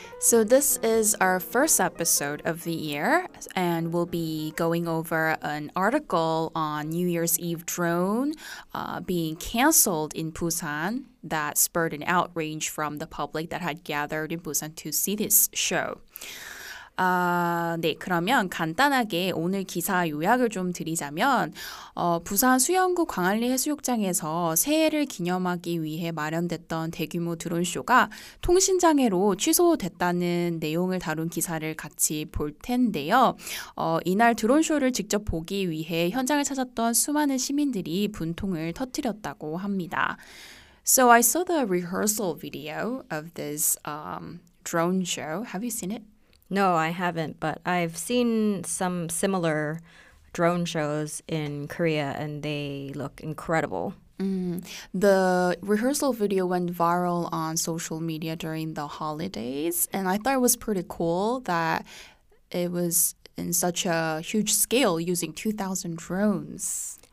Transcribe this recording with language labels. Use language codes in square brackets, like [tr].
[en] So this is our first episode of the year, and we'll be going over an article on New Year's Eve drone being canceled in Busan that spurred an outrage from the public that had gathered in Busan to see this show. [ko] 네, 그러면 간단하게 오늘 기사 요약을 좀 드리자면 부산 수영구 광안리 해수욕장에서 새해를 기념하기 위해 마련됐던 대규모 드론쇼가 통신장애로 취소됐다는 내용을 다룬 기사를 같이 볼 텐데요. 이날 드론쇼를 직접 보기 위해 현장을 찾았던 수많은 시민들이 분통을 터뜨렸다고 합니다. [en] So I saw the rehearsal video of this drone show. Have you seen it? No, I haven't, but I've seen some similar drone shows in Korea, and they look incredible. Mm. The rehearsal video went viral on social media during the holidays, and I thought it was pretty cool that it was in such a huge scale using 2,000 drones.